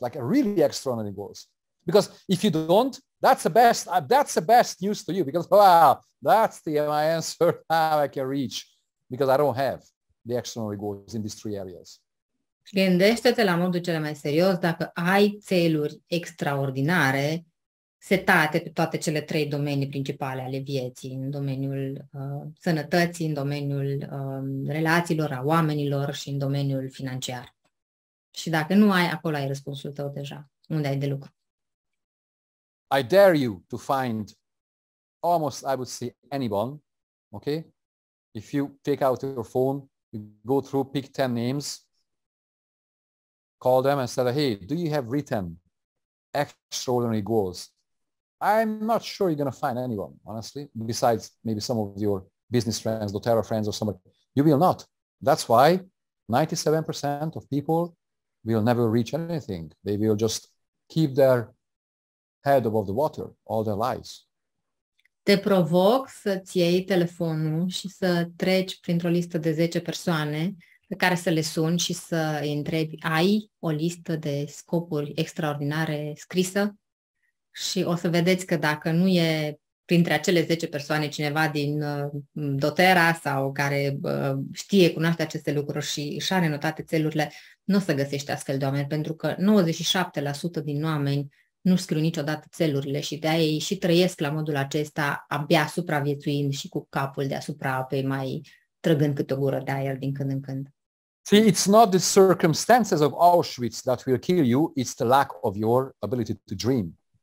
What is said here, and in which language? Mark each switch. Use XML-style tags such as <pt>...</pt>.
<en>Like really extraordinary goals? Because if you don't, that's the best news to you, because wow, that's the my answer now I can reach, because I don't have the extraordinary goals in these three areas.</en> <ro>Gândește-te la modul cel mai serios, dacă ai țeluri extraordinare, setate pe toate cele trei domenii principale ale vieții, în domeniul sănătății, în domeniul relațiilor a oamenilor și în domeniul financiar. Și dacă nu ai, acolo ai răspunsul tău deja. Unde ai de lucru?</ro> <en>I dare you to find almost, I would say, anyone, okay? If you take out your phone, you go through, pick 10 names, call them and say, hey, do you have written extraordinary goals? I'm not sure you're going to find anyone, honestly, besides maybe some of your business friends, doTERRA friends or somebody. You will not. That's why 97% of people will never reach anything. They will just keep their head above the water all their lives.</en> <ro>Te provoc să-ți iei telefonul și să treci printr-o listă de 10 persoane pe care să le suni și să îi întrebi, ai o listă de scopuri extraordinare scrisă? Și o să vedeți că dacă nu e printre acele 10 persoane cineva din doTERRA sau care știe, cunoaște aceste lucruri și își are notate țelurile, nu o să găsești astfel de oameni, pentru că 97% din oameni nu scriu niciodată țelurile și de-aia ei și trăiesc la modul acesta, abia supraviețuind și cu capul deasupra apei, mai trăgând câte o gură de aer din când în când.</ro> <en>See, it's not the circumstances of Auschwitz that will kill you, it's the lack of your ability to dream.</en>